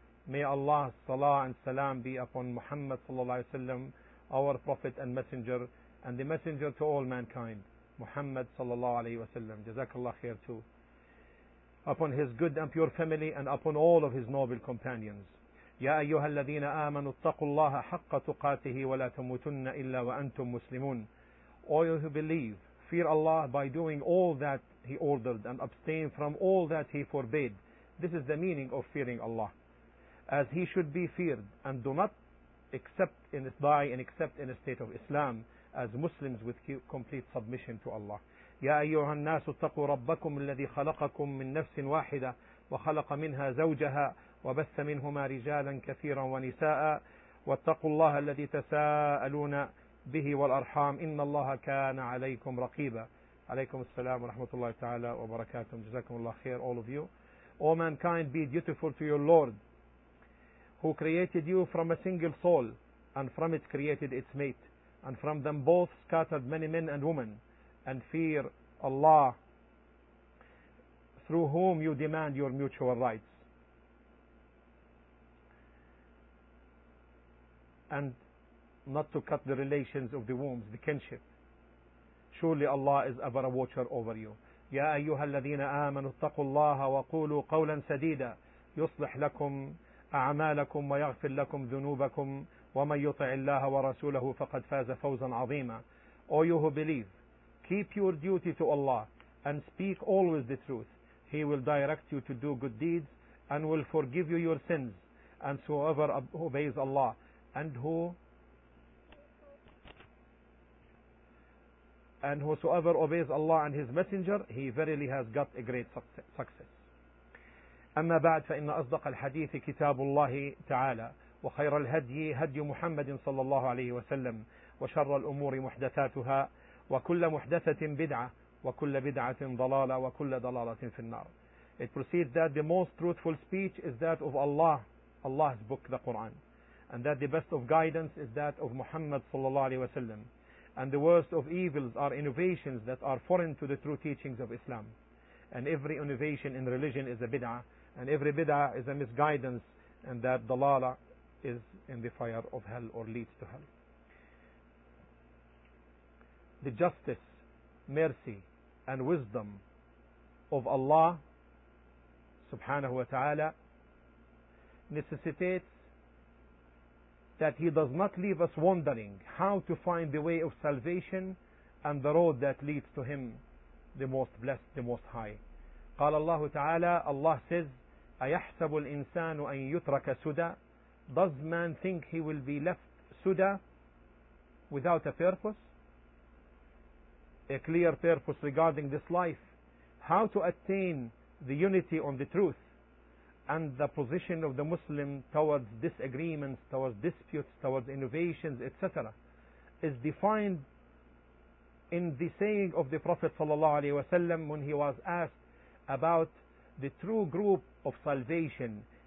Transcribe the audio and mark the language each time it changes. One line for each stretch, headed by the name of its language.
English: May Allah's salah and salam be upon Muhammad sallallahu alayhi wa sallam, our prophet and messenger, and the messenger to all mankind, Muhammad sallallahu alayhi wa sallam. Jazakallah khair too. Upon his good and pure family and upon all of his noble companions.
Arabic: يا أيها الذين آمنوا اتقوا الله حق تقاته ولا تموتن إلا وأنتم مسلمون.
English: All you who believe, fear Allah by doing all that He ordered and abstain from all that He forbade. This is the meaning of fearing Allah. As He should be feared, and do not accept in die and accept in a state of Islam as Muslims with complete submission to Allah.
Arabic: يا أيها الناس اتقوا ربكم الذي خلقكم من نفس واحدة وخلق منها زوجها وبث منهما رجالا كثيرا ونساء واتقوا الله الذي تساءلون به والأرحام إن الله كان عليكم رقيبا. عليكم السلام ورحمة الله تعالى وبركاته. جزاكم الله خير,
English: all of you. All mankind, be dutiful to your Lord who created you from a single soul, and from it created its mate, and from them both scattered many men and women, and fear Allah through whom you demand your mutual rights. And not to cut the relations of the wombs, the kinship. Surely Allah is ever a watcher over you.
Arabic: يا أيها الذين آمنوا اتقوا الله وقولوا قولا سديدا يصلح لكم أعمالكم ويغفر لكم ذنوبكم ومن يطع الله ورسوله فقد فاز فوزا عظيما.
English: O you who believe, keep your duty to Allah and speak always the truth. He will direct you to do good deeds and will forgive you your sins. And whoever obeys Allah and whosoever obeys Allah and His Messenger, he verily has got a great success.
Arabic: أما بعد فإن أصدق الحديث كتاب الله تعالى وخير الهدي هدي محمد صلى الله عليه وسلم وشر الأمور محدثاتها وكل محدثة بدعة وكل بدعة ضلالة وكل ضلالة في النار.
English: It proceeds that the most truthful speech is that of Allah, Allah's book, the Quran. And that the best of guidance is that of Muhammad sallallahu alayhi wa sallam. And the worst of evils are innovations that are foreign to the true teachings of Islam. And every innovation in religion is a bid'ah. And every bid'ah is a misguidance. And that dalala is in the fire of hell or leads to hell. The justice, mercy and wisdom of Allah subhanahu wa ta'ala necessitates that He does not leave us wondering how to find the way of salvation and the road that leads to Him, the Most Blessed, the Most High.
Arabic: قال الله تعالى,
English: Allah says,
Arabic: أَيَحْسَبُ الْإِنسَانُ أَن يُتْرَكَ سُدَى.
English: Does man think he will be left suda without a purpose? A clear purpose regarding this life. How to attain the unity on the truth? And the position of the Muslim towards disagreements, towards disputes, towards innovations, etc., is defined in the saying of the Prophet sallallahu alaihi wasallam when he was asked about the true group of salvation.